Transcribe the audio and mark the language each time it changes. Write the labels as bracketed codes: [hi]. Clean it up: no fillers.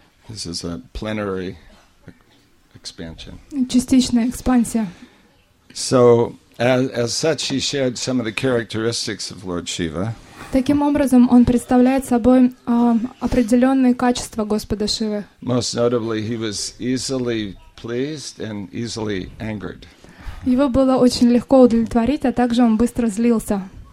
[en] This is a plenary expansion. [ru] Частичная экспансия. [en] So, as such, he shared some of the characteristics of Lord Shiva. [ru] Таким образом, он представляет собой определенные качества Господа Шивы. [en] Most notably, he was easily pleased and easily angered. [ru] Его было очень легко удовлетворить, а также он быстро злился.